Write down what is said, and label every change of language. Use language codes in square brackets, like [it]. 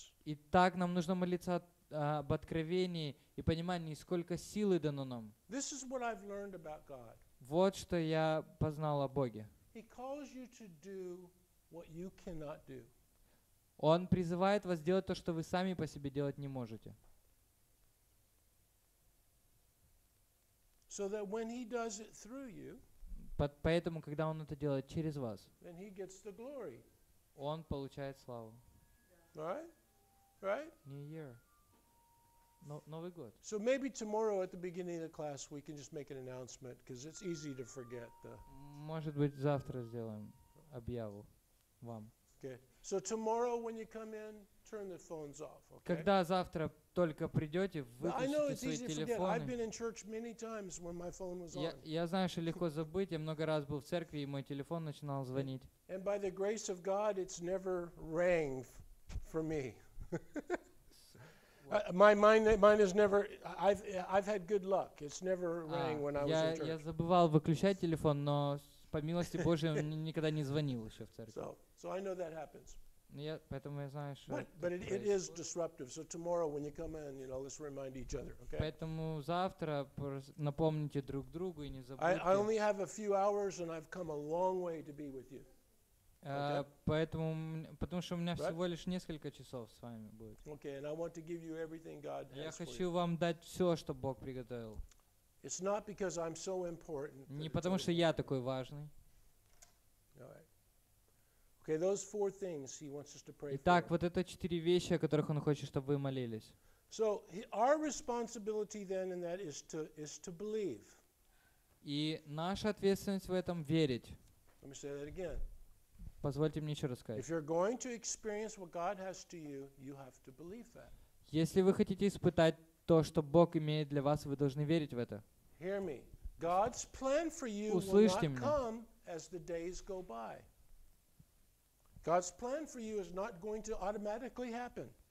[ru] И так нам нужно молиться об откровении и понимании, сколько силы дано нам. [en] This is what I've learned about God. [ru] Вот что я познал о Боге. [en] He calls you to do what you cannot do. [ru] Он призывает вас делать то, что вы сами по себе делать не можете. [en] So that when he does it through you, [ru] поэтому, когда Он это делает через вас, [en] then he gets the glory. [ru] Он получает славу. [en] Right? Right? New Year. [ru] Новый год. [en] So maybe tomorrow at the beginning of the class we can just make an announcement because it's easy to forget. [ru] Может быть, завтра сделаем объяву вам. [en] Okay. So tomorrow when you come in, turn the phones off. Okay? [ru] Когда завтра только придете, выключите свои телефоны. [en] I've been in church many times when my phone was on. [ru] Я знаю, что легко забыть. Я много раз был в церкви, и мой телефон начинал звонить. [en] And by the grace of God, it's never rang for me. my mind is never. I've had good luck. It's never rang when I was in church. [ru] Я забывал выключать телефон, но по милости Божьей мне никогда не звонил еще в церкви. [en] So I know that happens. [ru] Поэтому я знаю, что. [en] But it is disruptive. So tomorrow, when you come in, you know, let's remind each other. Okay. [ru] Поэтому завтра напомните друг другу и не забудьте. [en] I only have a few hours, and I've come a long way to be with you. [ru] Потому что у меня всего лишь несколько часов с вами будет. [en] Okay, and I want to give you everything God has for you. [ru] Я хочу вам дать все, что Бог приготовил. [en] It's not because I'm so important. [ru] Не потому что я такой важный. [en] Okay, those four things he wants us to pray for. [ru] Итак, вот это четыре вещи, о которых он хочет, чтобы вы молились. [en] So, our responsibility then in that is to believe. [ru] И наша ответственность в этом верить. [en] Let me say that again. [ru] Позвольте мне еще раз сказать. [en] If you're going to experience what God has to you, you have to believe that. [ru] Если вы хотите испытать то, что Бог имеет для вас, вы должны верить в это. [en] Hear me. God's plan for you will not come as the days go by. God's plan for you is not going to automatically happen.